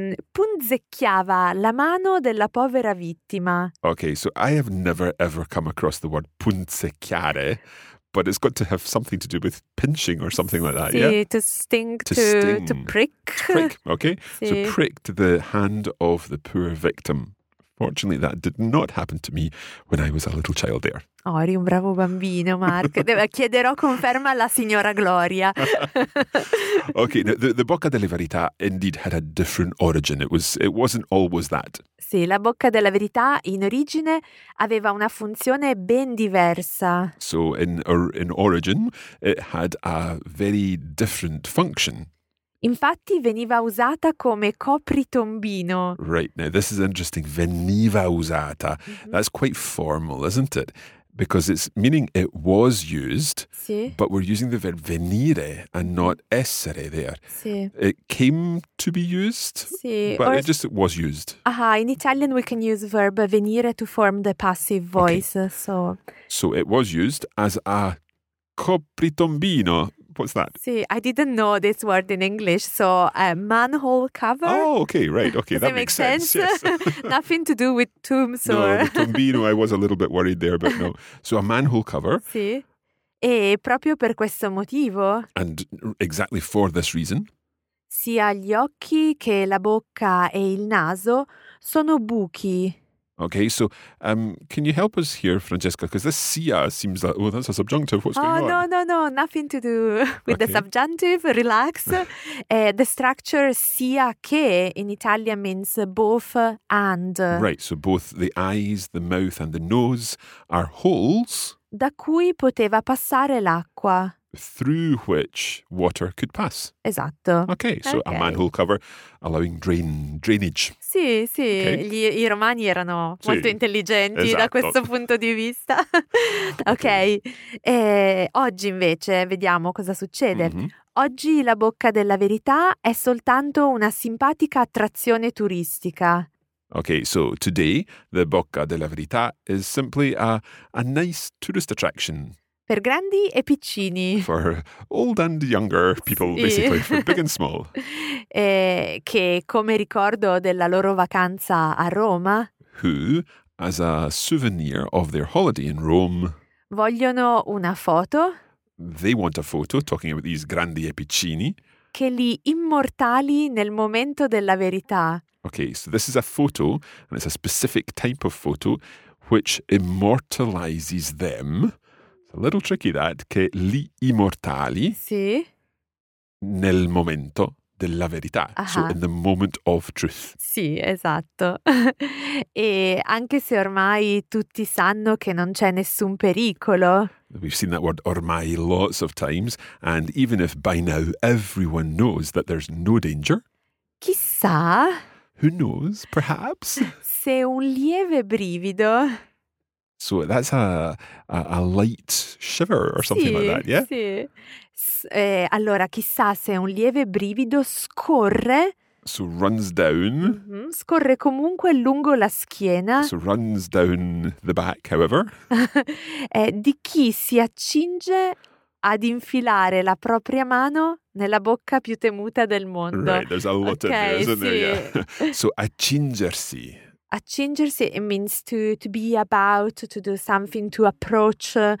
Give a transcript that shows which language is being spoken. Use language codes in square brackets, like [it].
[it] punzecchiava la mano della povera vittima. [en] Okay, so I have never ever come across the word punzecchiare. But it's got to have something to do with pinching or something like that, [it] sì, [en] yeah? To sting, to prick. Prick, okay. Sì. So pricked the hand of the poor victim. Fortunately, that did not happen to me when I was a little child there. [it] Oh, eri un bravo bambino, Mark. Chiederò conferma alla signora Gloria. [en] Okay, now, the bocca delle verità indeed had a different origin. It wasn't always that. [it] Sì, la bocca della verità in origine aveva una funzione ben diversa. [en] So in origin it had a very different function. [it] Infatti veniva usata come copritombino. [en] Right, now this is interesting. [it] Veniva usata. [en] Mm-hmm. That's quite formal, isn't it? Because it's meaning it was used, [it] sì. [en] But we're using the verb venire and not essere there. [it] Sì. [en] It came to be used, [it] sì. [en] But or, it was used. In Italian we can use verb venire to form the passive voice. Okay. So. So it was used as a copritombino. What's that? See, I didn't know this word in English, so a manhole cover. Oh, okay, right, okay, that makes sense. Yes. Nothing to do with tombs or... No, the tombino, I was a little bit worried there, but no. So a manhole cover. [it] Sì, e proprio per questo motivo... [en] And exactly for this reason. [it] Sia gli occhi che la bocca e il naso sono buchi. [en] Okay, so can you help us here, Francesca? Because this sia seems like, oh, that's a subjunctive. What's going on? Oh, no, nothing to do with okay. The subjunctive. Relax. The structure sia che in Italian means both and. Right, so both the eyes, the mouth and the nose are holes. [it] Da cui poteva passare l'acqua. [en] Through which water could pass. [it] Esatto. [en] Okay, so okay. A manhole cover allowing drainage. [it] Sì, sì, okay. I romani erano sì. Molto intelligenti esatto. Da questo punto di vista. Okay. Ok, e oggi invece vediamo cosa succede. Mm-hmm. Oggi la bocca della verità è soltanto una simpatica attrazione turistica. [en] Okay, so today the bocca della verità is simply a nice tourist attraction. [it] Per grandi e piccini. [en] For old and younger people, [it] sì. [en] Basically, for big and small. [it] Che, come ricordo della loro vacanza a Roma, [en] who, as a souvenir of their holiday in Rome, [it] vogliono una foto. [en] They want a photo, talking about these [it] grandi e piccini. Che li immortali nel momento della verità. [en] Okay, so this is a photo, and it's a specific type of photo, which immortalizes them. A little tricky that, [it] che li immortali sì. Nel momento della verità, [en] aha. So in the moment of truth. [it] Sì, esatto. E anche se ormai tutti sanno che non c'è nessun pericolo. [en] We've seen that word ormai lots of times, and even if by now everyone knows that there's no danger. [it] Chissà. [en] Who knows, perhaps. [it] Se un lieve brivido... [en] So that's a light shiver or something [it] sì, [en] like that, yeah? [it] Sì, sì. Allora, chissà se un lieve brivido scorre... [en] So runs down... [it] Mm-hmm, scorre comunque lungo la schiena... [en] So runs down the back, however... [it] di chi si accinge ad infilare la propria mano nella bocca più temuta del mondo. [en] Right, there's a lot okay, in there, isn't [it] sì. [en] There? Yeah. So accingersi... Accingersi, it means to be about, to do something, to approach.